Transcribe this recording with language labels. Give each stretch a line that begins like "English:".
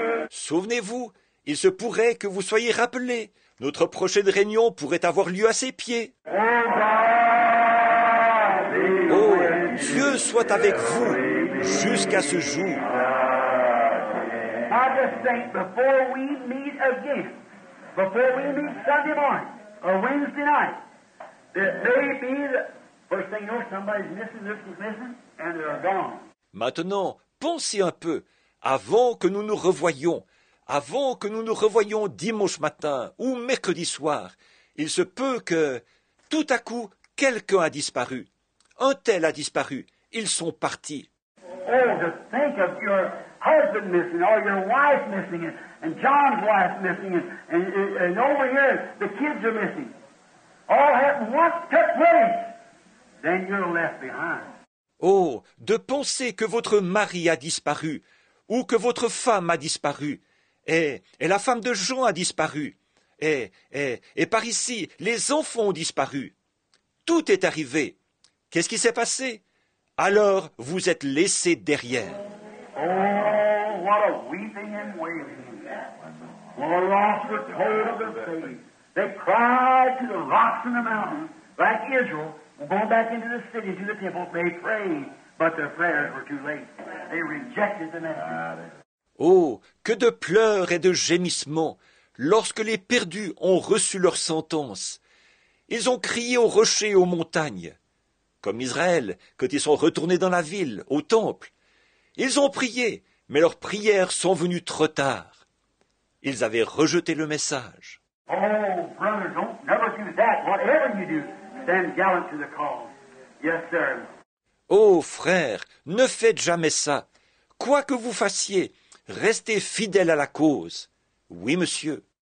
French: Souvenez-vous, il se pourrait que vous soyez rappelés. Notre prochaine réunion pourrait avoir lieu à ses pieds. Oh, Dieu soit avec vous jusqu'à ce jour.
English: I just think before we meet again, before we meet Sunday morning or Wednesday night, that may be the first thing you know, somebody's missing, this is missing, and they're gone.
French: Maintenant, pensez un peu avant que nous nous revoyions. Avant que nous nous revoyions dimanche matin ou mercredi soir, il se peut que, tout à coup, quelqu'un a disparu. Un tel a disparu. Ils sont partis.
English: Oh, to think of your husband missing, or your wife missing, and John's wife missing, and over here, the kids are missing. All happened once, took place. Then you're left behind.
French: Oh, de penser que votre mari a disparu, ou que votre femme a disparu, Et la femme de Jean a disparu. Et par ici, les enfants ont disparu. Tout est arrivé. Qu'est-ce qui s'est passé? Alors, vous êtes laissés derrière.
English: Oh, what a weeping and wailing. Well, the lost were told of their fate. They cried to the rocks and the mountains, like Israel, going back into the city, to the temple. They prayed, but their prayers were too late. They rejected the message.
French: Oh, que de pleurs et de gémissements lorsque les perdus ont reçu leur sentence. Ils ont crié aux rochers et aux montagnes, comme Israël, quand ils sont retournés dans la ville, au temple. Ils ont prié, mais leurs prières sont venues trop tard. Ils avaient rejeté le message.
English: Oh, brothers, don't never do that. Whatever you do, stand gallant to the call. Yes, sir.
French: Oh, frères, ne faites jamais ça. Quoi que vous fassiez, restez fidèles à la cause. Oui, monsieur.